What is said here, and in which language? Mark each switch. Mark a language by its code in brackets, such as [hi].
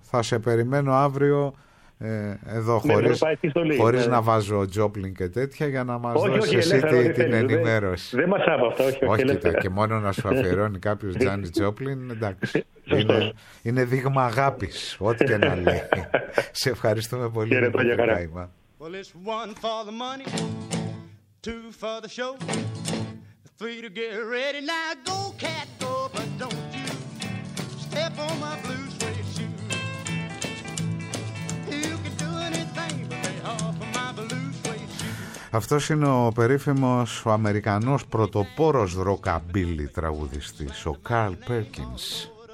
[el] Θα σε περιμένω αύριο εδώ, χωρίς να βάζω Τζόπλιν και τέτοια, για να μας δώσεις εσύ την ενημέρωση. Δεν μας άρεσε αυτό, όχι. Όχι, και μόνο να σου αφιερώνει κάποιος Τζάνι Τζόπλιν, εντάξει. Είναι δείγμα αγάπης, ό,τι και να λέει. Σε ευχαριστούμε πολύ. Χαίρετε, για χαρά. [en] Well, it's one for the money, two for the show, three to get ready. Now go, cat, go, but don't you step on my blue suede shoes. You can do anything but lay off of my blue suede shoes. [el] Αυτός είναι ο περίφημος, ο Αμερικανός πρωτοπόρος ροκαμπίλι τραγουδιστής, ο Carl Perkins.